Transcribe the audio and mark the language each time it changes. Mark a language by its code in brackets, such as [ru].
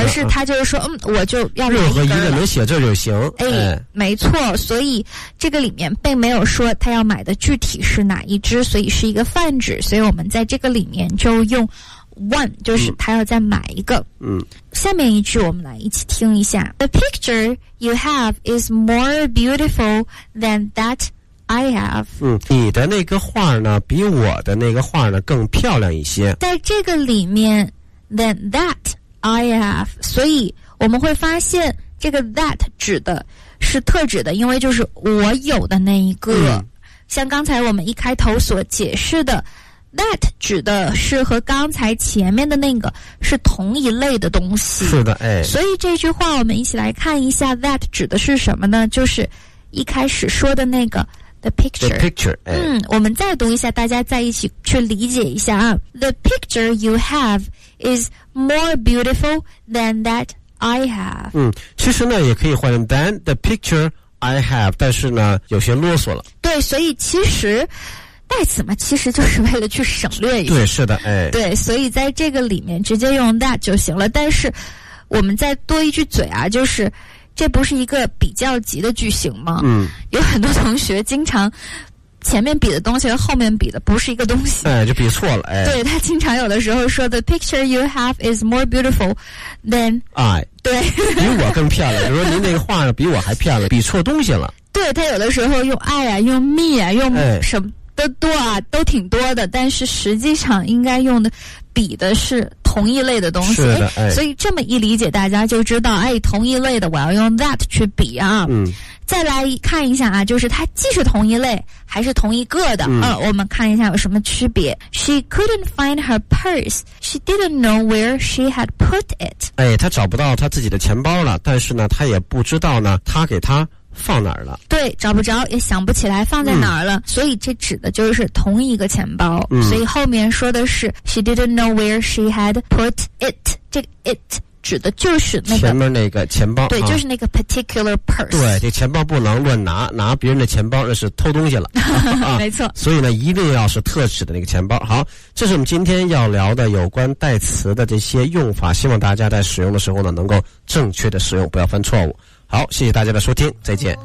[zh] 而是她就是说我就要买一根了，任何一个能写字就行。没错，所以这个里面并没有说她要买的具体是哪一支，所以是一个泛指，所以我们在这个里面就用 one， 就是她要再买一个。下面一句我们来一起听一下。 [en] The picture you have is more beautiful than that I have。 [zh] 你的那个画呢比我的那个画呢更漂亮一些。在这个里面 [en] than that I have， [zh] 所以我们会发现这个 that 指的是特指的，因为就是我有的那一个。像刚才我们一开头所解释的That 指的是和刚才前面的那个是同一类的东西。是的，所以这句话我们一起来看一下 That 指的是什么呢？就是一开始说的那个 The picture。 [en] The picture， [zh] 我们再读一下，大家再一起去理解一下啊。 [en] The picture you have is more beautiful than that I have。 [zh] 其实呢也可以换成 [en] than the picture I have， [zh] 但是呢有些啰嗦了。对，所以其实代词嘛，其实就是为了去省略一下。对，是的，对，所以在这个里面直接用 that 就行了。但是我们再多一句嘴啊，就是这不是一个比较级的句型吗？有很多同学经常前面比的东西和后面比的不是一个东西。就比错了，对，他经常有的时候说 [en] the picture you have is more beautiful than I。 [zh] 对，比我更漂亮，比如说您那个画比我还漂亮，比错东西了。对，他有的时候用 I 啊，用 me 啊，用什么都多啊，都挺多的，但是实际上应该用的比的是同一类的东西。是的，所以这么一理解大家就知道，同一类的我要用 that 去比啊。再来看一下啊，就是它既是同一类还是同一个的。我们看一下有什么区别。 [en] She couldn't find her purse. She didn't know where she had put it. [zh] 她找不到她自己的钱包了，但是呢她也不知道呢她给她放哪儿了。对，找不着也想不起来放在哪儿了。所以这指的就是同一个钱包。所以后面说的是 [en] She didn't know where she had put it。 [zh] 这个 it 指的就是那个前面那个钱包。对，就是那个 [en] particular purse。 [zh] 对，这钱包不能乱拿，拿别人的钱包那是偷东西了。没错，所以呢一定要是特指的那个钱包。好，这是我们今天要聊的有关代词的这些用法，希望大家在使用的时候呢能够正确的使用，不要犯错误。好，谢谢大家的收听，再见，